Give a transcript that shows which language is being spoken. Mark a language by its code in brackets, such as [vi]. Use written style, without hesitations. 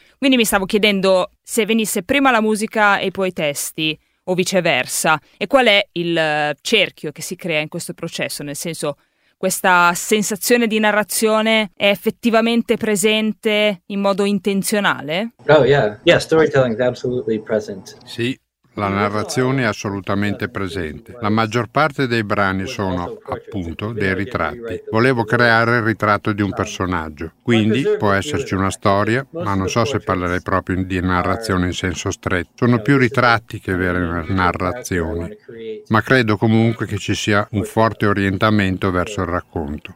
[it] Quindi mi stavo chiedendo se venisse prima la musica e poi i testi, o viceversa, e qual è il cerchio che si crea in questo processo, nel senso, questa sensazione di narrazione è effettivamente presente in modo intenzionale? [en] Oh, yeah. Yeah, storytelling is absolutely present. [it] Sì, la narrazione è assolutamente presente. La maggior parte dei brani sono, appunto, dei ritratti. Volevo creare il ritratto di un personaggio. Quindi può esserci una storia, ma non so se parlerei proprio di narrazione in senso stretto. Sono più ritratti che vere narrazioni. Ma credo comunque che ci sia un forte orientamento verso il racconto.